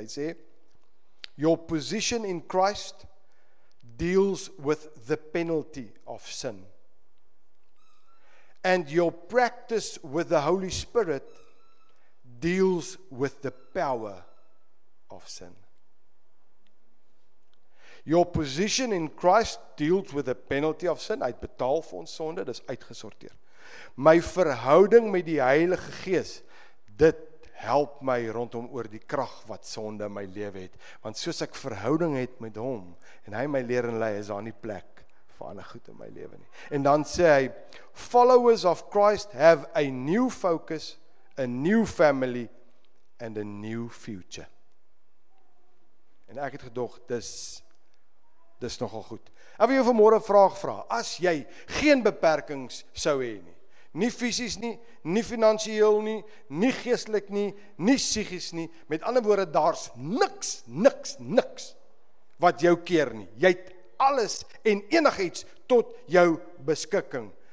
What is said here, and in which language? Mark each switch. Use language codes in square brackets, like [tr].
[af] Hy sê, [en] your position in Christ deals with the penalty of sin. And your practice with the Holy Spirit deals with the power of sin. Your position in Christ deals with the penalty of sin. [af] Hy het betaal vir ons sonde, dis uitgesorteer. My verhouding met die Heilige Gees, dit help my rondom oor die krag wat sonde in my lewe het. Want soos ek verhouding het met hom, en hy my leer en lei, is daar nie plek vir ander goed in my lewe nie. En dan sê hy, [en] followers of Christ have a new focus, a new family, and a new future. [af] En ek het gedog, dis nogal goed. Ek wil jou vanmôre 'n vraag vra. As jy geen beperkings sou hê nie, nie fisies nie, nie finansiëel nie, nie geestelik nie, nie psigies nie, met ander woorde, daar's niks wat jou keer nie. Jy het alles en enigiets tot jou beskikking.